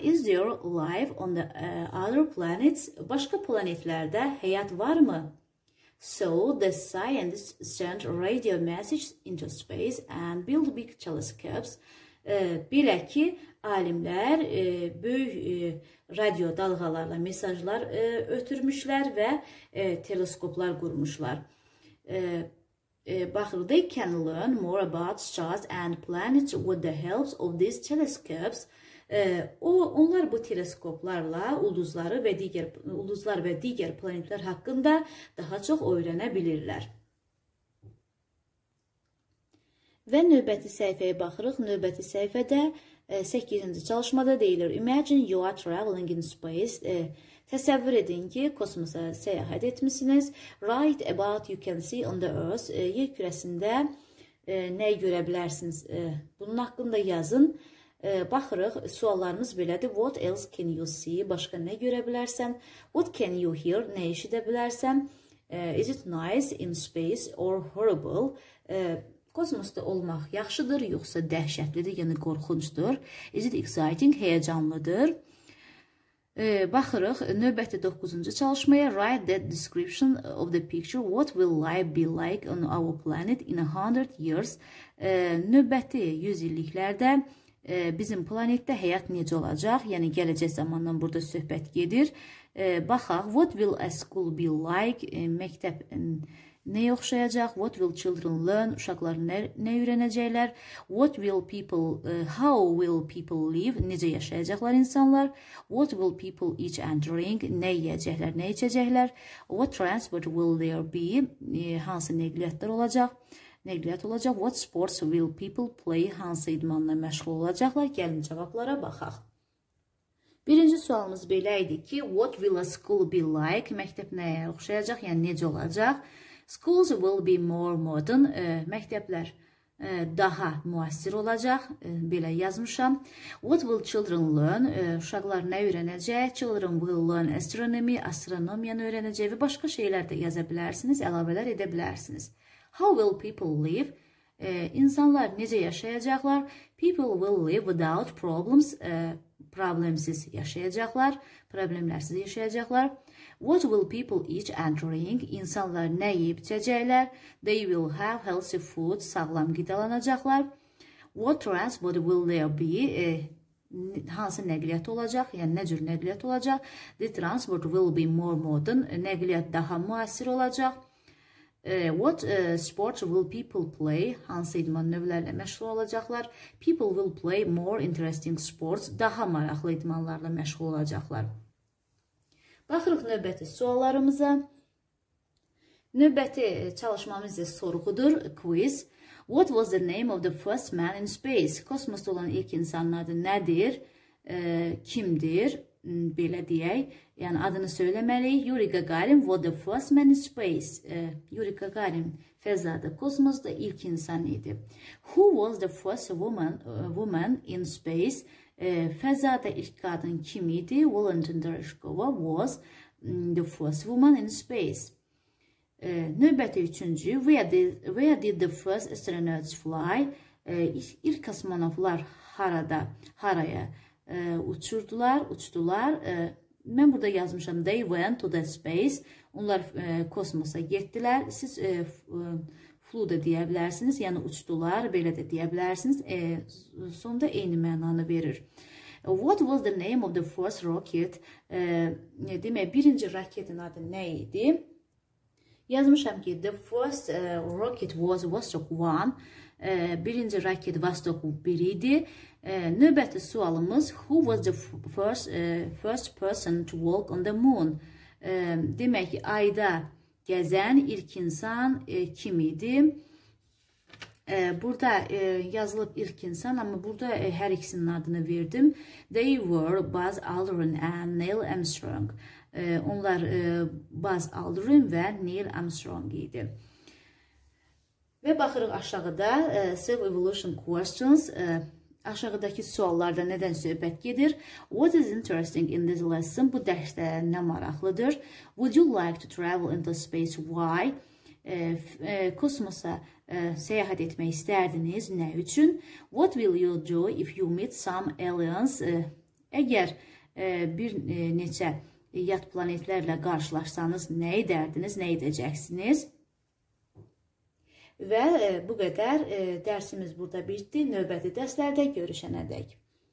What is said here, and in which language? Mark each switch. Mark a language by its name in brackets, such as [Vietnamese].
[English] Is there life on the other planets? [Azerbaijani] Başqa planetlərdə həyat varmı? [English] So, the scientists send radio messages into space and build big telescopes. [Azerbaijani] Belə ki, alimlər böyük radio dalğalarla mesajlar ötürmüşlər və teleskoplar qurmuşlar. Baxırıq, [English] they can learn more about stars and planets with the help of these telescopes. [Azerbaijani] Onlar bu teleskoplarla ulduzlar və digər planetlər haqqında daha çox öyrənə bilirlər. Və növbəti səhifəyə baxırıq. Növbəti səhifədə 8-ci çalışmada deyilir. [English] Imagine you are traveling in space. [Azerbaijani] Təsəvvür edin ki, kosmosa səyahət etmişsiniz. [English] Write about you can see on the earth. [Azerbaijani] Yer kürəsində nə görə bilərsiniz? Bunun haqqında yazın. Baxırıq, suallarımız belədir. [English] What else can you see? [Azerbaijani] Başqa nə görə bilərsən? [English] What can you hear? [Azerbaijani] Nə eşidə bilərsən? [English] Is it nice in space or horrible? [Azerbaijani] Kosmosda olmaq yaxşıdır, yoxsa dəhşətlidir, yəni qorxuncdur. [English] Is it exciting? [Azerbaijani] Həyəcanlıdır. Baxırıq, növbəti 9-cu çalışmaya. [English] Write that description of the picture. What will life be like on our planet in 100 years? [Azerbaijani] Növbəti 100 illiklərdə bizim planetdə həyat necə olacaq? Yəni, gələcək zamandan burada söhbət gedir. Baxaq, [English] what will a school be like? [Azerbaijani] Məktəb nə oxşayacaq? [English] What will children learn? [Azerbaijani] Uşaqlar nə öyrənəcəklər? [English] What will people, how will people live? [Azerbaijani] Necə yaşayacaqlar insanlar? [English] What will people eat and drink? [Azerbaijani] Nə yiyəcəklər, nə içəcəklər? [English] What transport will there be? [Azerbaijani] Hansı nəqliyyatlar olacaq? Nəqliyyat olacaq? [English] What sports will people play? [Azerbaijani] Hansı idmanla məşğul olacaqlar? Gəlin cavablara baxaq. Birinci sualımız belə idi ki, [English] what will a school be like? [Azerbaijani] Məktəb nəyə oxşayacaq? Yəni, necə olacaq? [English] Schools will be more modern. [Azerbaijani] Məktəblər daha müasir olacaq. Belə yazmışam. [English] What will children learn? [Azerbaijani] Uşaqlar nə öyrənəcək? [English] Children will learn astronomy. [Azerbaijani] Astronomiyanı öyrənəcək və başqa şeylər də yaza bilərsiniz, əlavələr edə bilərsiniz. [English] How will people live? [Azerbaijani] İnsanlar necə yaşayacaqlar? [English] People will live without problems. [Azerbaijani] Problemsiz yaşayacaqlar, problemlərsiz yaşayacaqlar. [English] What will people eat and drink? [Azerbaijani] İnsanlar nə yiyib içəcəklər? [English] They will have healthy food, [Azerbaijani] sağlam qidalanacaqlar. [English] What transport will there be? [Azerbaijani] Hansı nəqliyyat olacaq? Yəni, nə cür nəqliyyat olacaq? [English] The transport will be more modern. [Azerbaijani] Nəqliyyat daha müasir olacaq. [English] What sports will people play? [Azerbaijani] Hansı idman növlərlə məşğul olacaqlar? [English] People will play more interesting sports. [Azerbaijani] Daha maraqlı idmanlarla məşğul olacaqlar. Baxırıq növbəti suallarımıza. Növbəti çalışmamız da sorğudur, quiz. [English] What was the name of the first man in space? [Azerbaijani] Kosmosda olan ilk insanın adı nədir? Kimdir? belə deyək, yəni adını söyləməliyik. Yuri Gagarin was the first man in space. Yuri Gagarin fəzada, kosmosda ilk insan idi. [English] Who was the first woman, woman in space? [Azerbaijani] Fəzada ilk qadın kim idi? [English] Valentina Tereshkova was the first woman in space. [Azerbaijani] Növbəti üçüncü, [English] where did the first astronauts fly? [Azerbaijani] İlk kosmonavtlar haraya uçdular. Mən burada yazmışam, [English] they went to the space. [Azerbaijani] Onlar kosmosa getdilər. Siz flew da deyə bilərsiniz, yəni uçdular, belə də deyə bilərsiniz. Sonda eyni mənanı verir. [English] What was the name of the first rocket? [Azerbaijani] Demək, birinci raketin adı nə idi? Yazmışam ki, [English] the first rocket was Vostok 1. [Azerbaijani] Birinci raket Vostok 1 idi. Növbəti sualımız, [English] who was the first person to walk on the moon? [Azerbaijani] Demək ki, ayda gəzən ilk insan kim idi? Burada yazılıb ilk insan, amma burada hər ikisinin adını verdim. [English] They were Buzz Aldrin and Neil Armstrong. [Azerbaijani] Onlar Buzz Aldrin və Neil Armstrong idi. Və baxırıq aşağıda self-evolution questions. Aşağıdakı suallarda nədən söhbət gedir? [English] What is interesting in this lesson? [Azerbaijani] Bu dərsdə nə maraqlıdır? [English] Would you like to travel into space? Why? [Azerbaijani] Kosmosa səyahət etmək istərdiniz? Nə üçün? What will you do if you meet some aliens? Əgər bir neçə yad planetlərlə qarşılaşsanız, nə edərdiniz, nə edəcəksiniz? Və bu qədər dərsimiz burada bitdi. Növbəti dərslərdə görüşənədək.